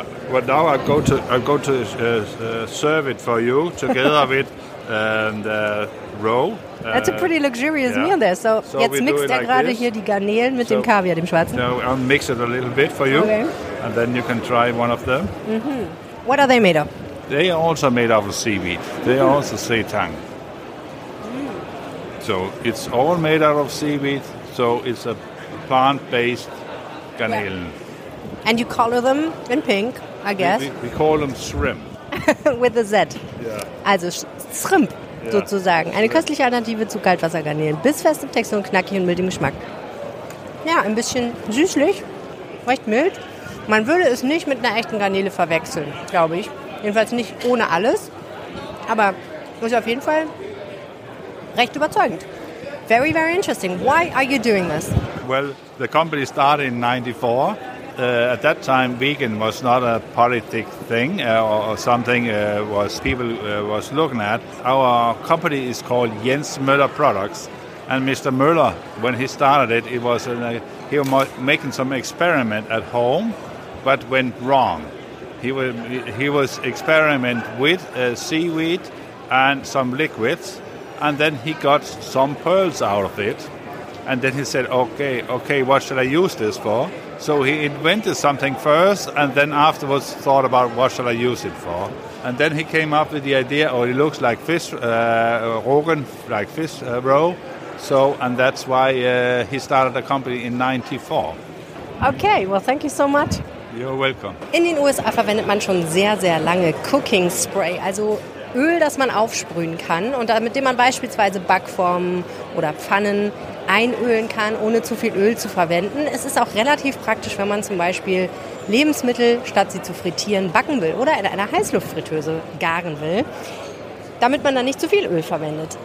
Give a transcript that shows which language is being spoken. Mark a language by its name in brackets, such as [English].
[English] Well, now I'll go to serve it for you together with and roe. That's a pretty luxurious meal there. [German] So jetzt mixt gerade hier die Garnelen mit dem Kaviar, dem Schwarzen. [English] So I'll mix it a little bit for you. Okay. And then you can try one of them. Mm-hmm. What are they made of? They are also made out of seaweed. They are also seitang. So it's all made out of seaweed. So it's a plant-based garnelen. Yeah. And you color them in pink, I guess. We call them shrimp. With a Z. Yeah. [German] Also shrimp, sozusagen. Eine köstliche Alternative zu Kaltwassergarnelen. Bissfest im Textur und knackig und mild im Geschmack. Ja, ein bisschen süßlich, recht mild. Man würde es nicht mit einer echten Garnele verwechseln, glaube ich. Jedenfalls nicht ohne alles, aber ist auf jeden Fall recht überzeugend. [English] Very, very interesting. Why are you doing this? Well, the company started in 94. At that time, vegan was not a politic thing or something people was looking at. Our company is called Jens Møller Products. And Mr. Møller, when he started it, he was making some experiment at home, but went wrong. He was experiment with seaweed and some liquids, and then he got some pearls out of it. And then he said, okay, what should I use this for? So he invented something first, and then afterwards thought about what should I use it for. And then he came up with the idea, it looks like fish, rogan, like fish roe. So, and that's why he started the company in 94. Okay, well, thank you so much. You're welcome. [German] In den USA verwendet man schon sehr, sehr lange Cooking Spray, also Öl, das man aufsprühen kann und mit dem man beispielsweise Backformen oder Pfannen einölen kann, ohne zu viel Öl zu verwenden. Es ist auch relativ praktisch, wenn man zum Beispiel Lebensmittel, statt sie zu frittieren, backen will oder in einer Heißluftfritteuse garen will, damit man dann nicht zu viel Öl verwendet.